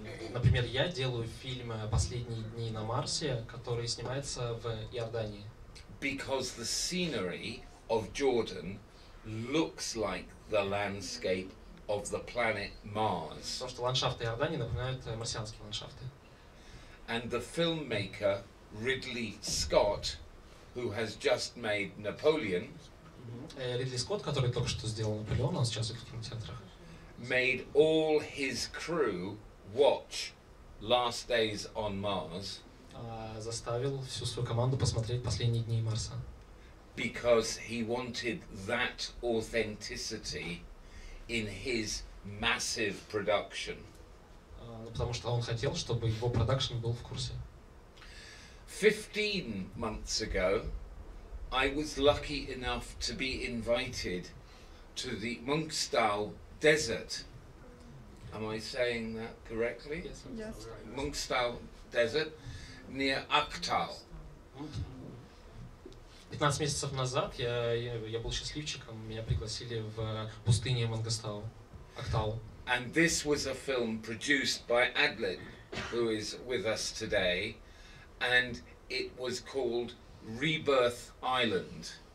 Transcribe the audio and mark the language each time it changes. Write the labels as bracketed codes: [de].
[ru] Например, я делаю фильм «Последние дни на Марсе», который снимается в Иордании. [en] Because the scenery of Jordan looks like the landscape of the planet Mars. [ru] Потому что ландшафты Иордании напоминают марсианские ландшафты. [en] And the filmmaker Ридли Скотт, who has just made Napoleon, [ru] Ридли Скотт, который только что сделал Наполеон, он сейчас в кинотеатрах, [en] made all his crew watch Last Days on Mars. [ru] Заставил всю свою команду посмотреть «Последние дни Марса». [en] Because he wanted that authenticity in his massive production. [ru] Ну, потому что он хотел, чтобы его продакшн был в курсе. [en] 15 months ago, I was lucky enough to be invited to the Мунгстау desert. Am I saying that correctly? Yes. Мунгстау desert. Near Aktau. [ru] 15 месяцев назад я был счастливчиком, меня пригласили в пустыню Мангостау, Актау. [en] And this was a film produced by Adlin, who is with us today, and it was called Rebirth Island.